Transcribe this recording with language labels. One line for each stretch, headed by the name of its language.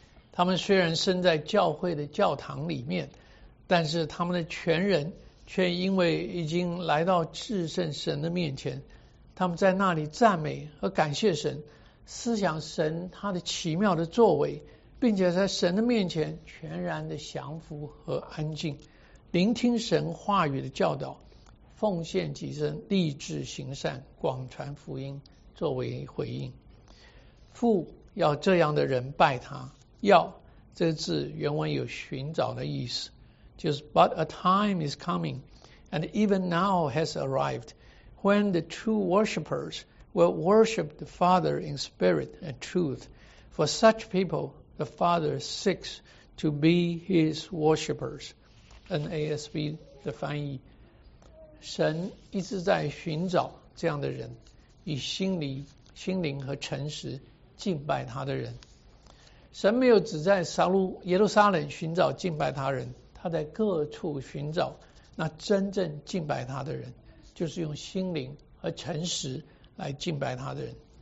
Chinese: 他们虽然身在教会的教堂里面，但是他们的全人却因为已经来到至圣神的面前，他们在那里赞美和感谢神，思想神他的奇妙的作为，并且在神的面前全然的降服和安静，聆听神话语的教导，奉献己身，立志行善，广传福音，作为回应。父要这样的人拜他。要这个字原文有寻找的意思，就是
English: But a time is coming, and even now has arrived, when the true worshippers will worship the Father in spirit and truth. For such people, the Father seeks to be his worshipers.
Chinese: NASB 的翻译，神一直在寻找这样的人，以心灵和诚实敬拜他的人。神没有只在耶路撒冷寻找敬拜他人，他在各处寻找那真正敬拜他的人，就是用心灵和诚实来敬拜他的人。